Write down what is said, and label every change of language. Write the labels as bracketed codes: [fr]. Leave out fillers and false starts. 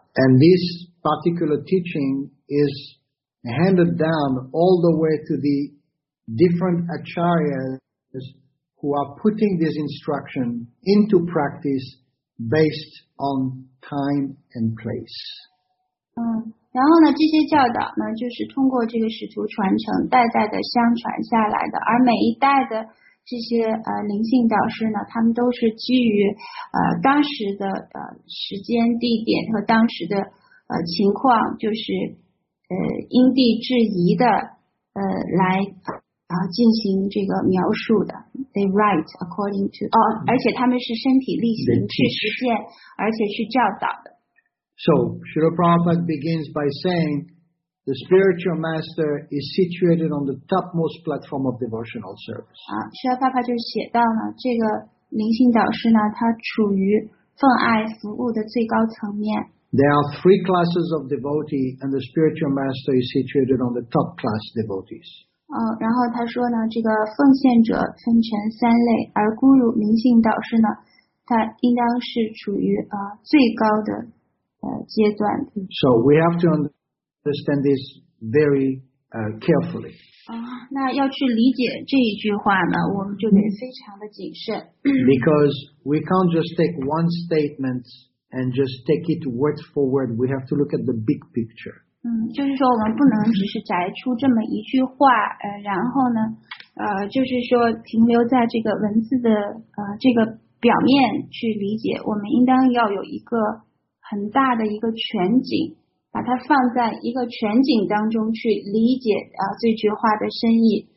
[en] And this particular teaching is handed down all the way to the different acharyas who are putting this instruction into practice based on time and place. [zh] 然后呢这些教导呢就是通过这个使徒传承代代的相传下来的，而每一代的这些灵性导师呢，他们都是基于当时的时间地点和当时的情况，就是因地制宜的来进行这个描述的。 [en] They write according to, [zh] 而且他们是身体力行去实践，而且去教导的。 [en] So, Srila Prabhupada begins by saying, the spiritual master is situated on the topmost platform of devotional service. [zh] Srila Prabhupada 就写到了，这个灵性导师呢，他处于奉爱服务的最高层面。 [en] There are three classes of devotee, and the spiritual master is situated on the top class devotees. [zh] 然后他说呢，这个奉献者分成三类，而孤儒明性导师呢，他应当是处于最高的阶段。 [en] So we have to understand this very carefully. [zh] 那要去理解这一句话呢，我们就得非常的谨慎。 [en] Because we can't just take one statement and just take it word for word. We have to look at the big picture. [zh] 就是说我们不能只是摘出这么一句话然后呢就是说停留在这个文字的这个表面去理解，我们应当要有一个很大的一个全景，把它放在一个全景当中去理解这句话的深意。